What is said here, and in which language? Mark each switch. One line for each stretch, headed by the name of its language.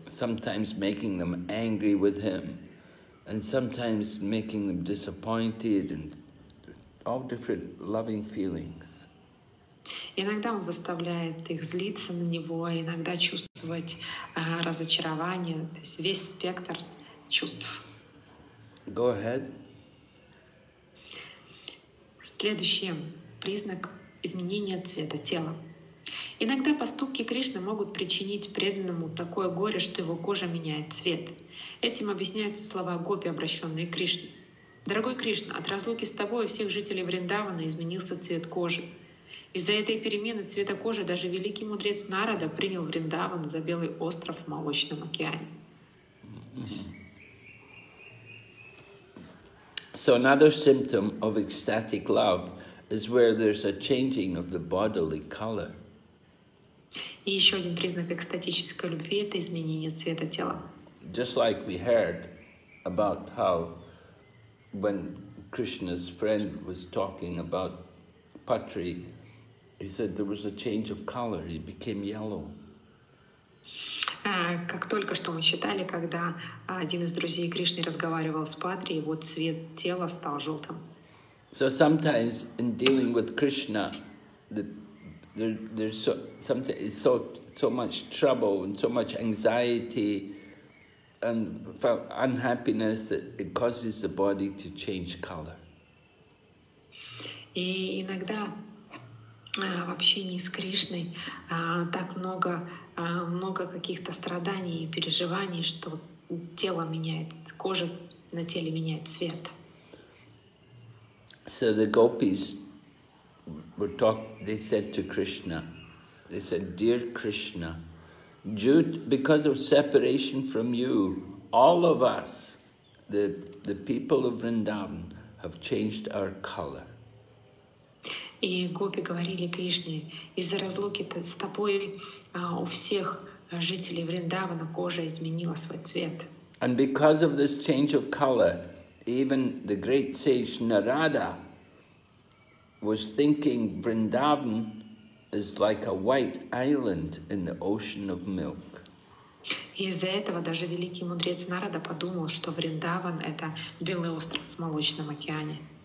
English: Sometimes making them angry with him, and sometimes making them disappointed and all different loving feelings.
Russian: Иногда он заставляет их злиться на него, иногда чувствовать разочарование, то есть весь спектр чувств.
English: Go ahead.
Russian: Следующий признак изменения цвета тела. Иногда поступки Кришны могут причинить преданному такое горе, что его кожа меняет цвет. Этим объясняются слова гопи, обращенные к Кришне: «Дорогой Кришна, от разлуки с тобой у всех жителей Вриндавана изменился цвет кожи. Из-за этой перемены цвета кожи даже великий мудрец Нарада принял Вриндаван за белый остров в молочном океане».
English: So another symptom of ecstatic love is where there's a changing of the bodily color.
Russian: И еще один признак экстатической любви – это изменение цвета тела.
English: Just like we heard about how when Krishna's friend was talking about Patri, he said there was a change of color, he became yellow.
Russian: Как только что мы читали, когда один из друзей Кришны разговаривал с Патри, вот цвет тела стал желтым.
English: So sometimes in dealing with Krishna, there's so much trouble and so much anxiety and unhappiness that it causes the body to change color.
Russian: И иногда в общении с Кришной так много много каких-то страданий и переживаний, что тело меняет, кожа на теле меняет цвет.
English: So the gopis were they said to Krishna, they said, "Dear Krishna, because of separation from you, all of us, the people of Vrindavan, have changed our color."
Russian: И гопи говорили Кришне, из-за разлуки с тобой у всех жителей Вриндавана кожа изменила свой цвет.
English: And because of this change of color, even the great sage Narada was thinking Vrindavan is like a white island in the ocean of milk.
Russian: Из-за этого даже великий мудрец Нарада подумал, что Вриндаван — это белый остров в молочном океане.